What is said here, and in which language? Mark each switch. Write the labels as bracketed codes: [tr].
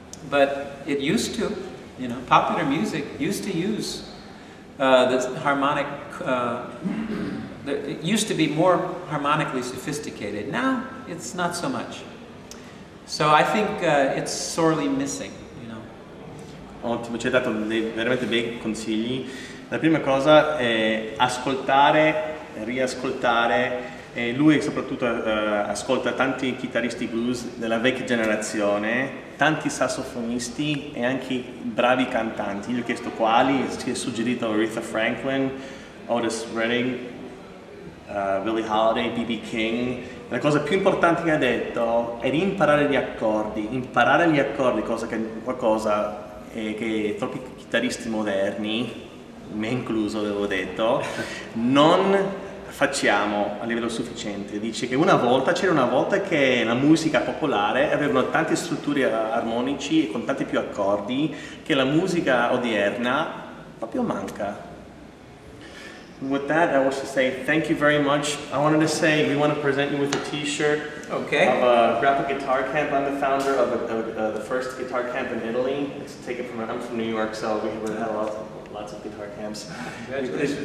[en] But it used to, you know. Popular music used to use the harmonic... it used to be more harmonically sophisticated. Now, it's not so much. So I think it's sorely missing, you know. [it] Ottimo, ci hai dato dei veramente bei consigli. La prima cosa è ascoltare, riascoltare. E lui soprattutto ascolta tanti chitarristi blues della vecchia generazione, tanti sassofonisti e anche bravi cantanti. Gli ho chiesto quali, ci è suggerito Aretha Franklin, Otis Redding, Billie Holiday, B.B. King. La cosa più importante che ha detto è di imparare gli accordi. Imparare gli accordi, cosa che qualcosa è che troppi chitarristi moderni, me incluso, avevo detto, non facciamo a livello sufficiente. Dice che c'era una volta che la musica popolare avevano tante strutture armonici e con tanti più accordi che la musica odierna proprio manca. [en] With that, I want to say thank you very much. I wanted to say we want to present you with a t-shirt. Okay. Of a graphic guitar camp. I'm the founder of the first guitar camp in Italy. It's taken from, I'm from New York, so we have had lots of guitar camps. Congratulations.